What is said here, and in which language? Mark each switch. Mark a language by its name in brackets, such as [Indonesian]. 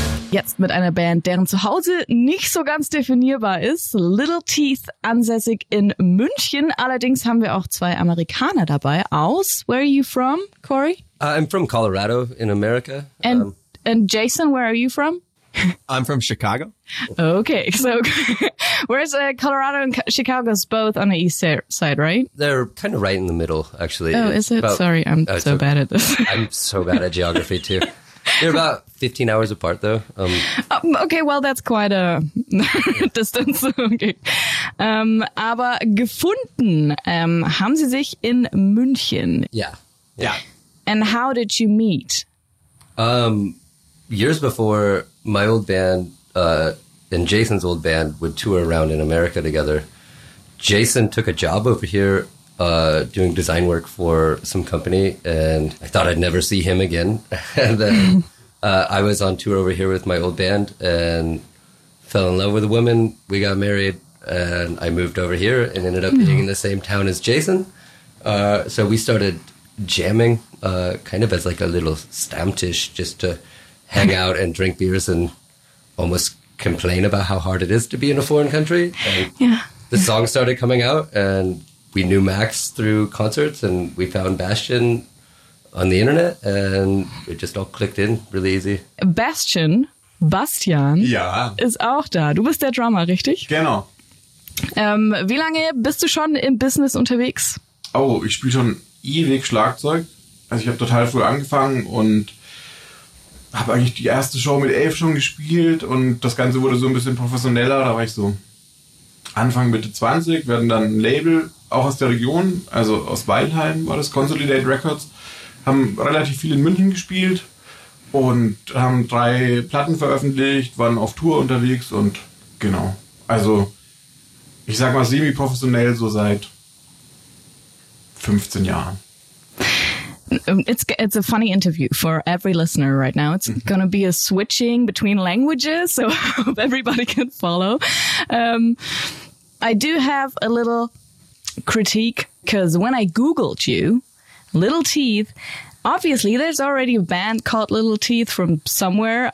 [German] Jetzt mit einer Band, deren Zuhause nicht so ganz definierbar ist. Little Teeth, ansässig in München. Allerdings haben wir auch zwei Amerikaner dabei aus. [English] Where are you from, Corey? I'm from Colorado in America. And Jason, where are you from? I'm from Chicago. Okay, so where's Colorado and Chicago's both on the east side, right? They're kind of right in the middle, actually. Oh, is it? Sorry, I'm so bad at this. I'm so bad at geography, too. They're about 15 hours apart, though. Okay, well, that's quite a distance. Okay. [German] Aber gefunden haben sie sich in München. [English] Yeah. And how did you meet? Years before, my old band and Jason's old band would tour around in America together. Jason took a job over here doing design work for some company, and I thought I'd never see him again. And then I was on tour over here with my old band and fell in love with a woman. We got married, and I moved over here and ended up being in the same town as Jason. So we started jamming kind of as like a little Stammtisch just to hang out and drink beers and almost complain about how hard it is to be in a foreign country. And the song started coming out, and we knew Max through concerts, and we found Bastion on the internet, and it just all clicked in really easy. [German] Bastian, ja, ist auch da. Du bist der Drummer, richtig? Genau. Wie lange bist du schon im Business unterwegs? Oh, ich spiele schon ewig Schlagzeug. Also ich habe total früh angefangen und habe eigentlich die erste Show mit 11 schon gespielt und das Ganze wurde so ein bisschen professioneller. Da war ich so Anfang, Mitte 20, wir hatten dann ein Label, auch aus der Region, also aus Weilheim war das, Consolidate Records, haben relativ viel in München gespielt und haben 3 Platten veröffentlicht, waren auf Tour unterwegs und genau. Also ich sag mal semi-professionell so seit 15 Jahren. [English] It's a funny interview for every listener right now. It's going to be a switching between languages, so I hope everybody can follow. I do have a little critique, because when I Googled you, Little Teeth, obviously there's already a band called Little Teeth from somewhere.